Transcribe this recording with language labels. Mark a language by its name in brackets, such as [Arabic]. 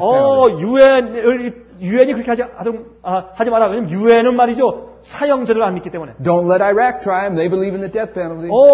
[English] penalty. [Korean] 유엔이 그렇게 하지 마라. 왜냐면 유엔은 말이죠. 사형제를 안 믿기 때문에. [English] Don't let Iraq try him. They believe in the death penalty.